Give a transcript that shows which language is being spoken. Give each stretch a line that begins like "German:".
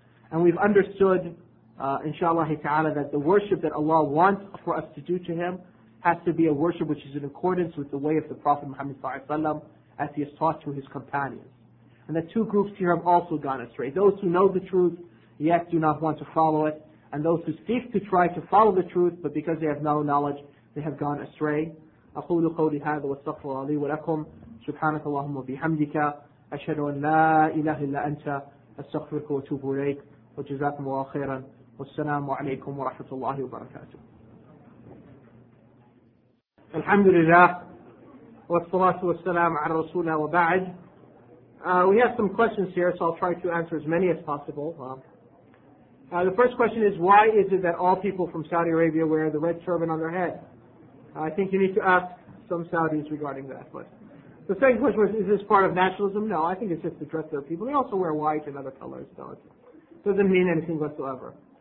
English: And we've understood, inshallah ta'ala, that the worship that Allah wants for us to do to Him has to be a worship which is in accordance with the way of the Prophet Muhammad sallallahu alayhi wa sallam, as he has taught to his companions. And the two groups here have also gone astray. Those who know the truth, yet do not want to follow it, and those who seek to try to follow the truth, but because they have no knowledge, they have gone astray.
Arabic: أقول قولي هذا واستغفر لي ولكم سبحانك اللهم وبحمدك أشهد أن لا إله إلا أنت أستغفرك وأتوب إليك وجزاكم الله خيرا والسلام عليكم ورحمة الله وبركاته. الحمد لله والصلاة والسلام على رسولنا وبعد.
English: We have some questions here, so I'll try to answer as many as possible. The first question is, why is it that all people from Saudi Arabia wear the red turban on their head? I think you need to ask some Saudis regarding that. But the second question was, is this part of nationalism? No, I think it's just the dress of their people. They also wear white and other colors, so it doesn't mean anything whatsoever.